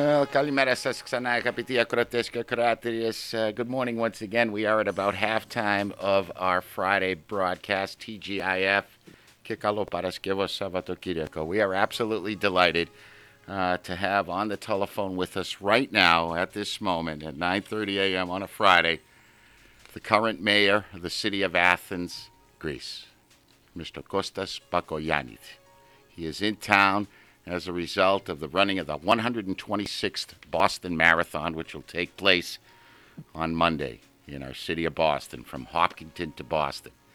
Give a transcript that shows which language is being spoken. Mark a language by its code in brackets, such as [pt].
[el] Καλημέρα σας ξανά, αγαπητοί ακροατές και ακροάτριες. [en] Good morning once again. We are at about halftime of our Friday broadcast, TGIF. [el] Και καλό Παρασκευό Σαββατοκύριακο. [en] We are absolutely delighted to have on the telephone with us right now at this moment at 9:30 a.m. on a Friday, the current mayor of the city of Athens, Greece, Mr. Kostas Bakoyanis. He is in town as a result of the running of the 126th Boston Marathon, which will take place on Monday in our city of Boston, from Hopkinton to Boston.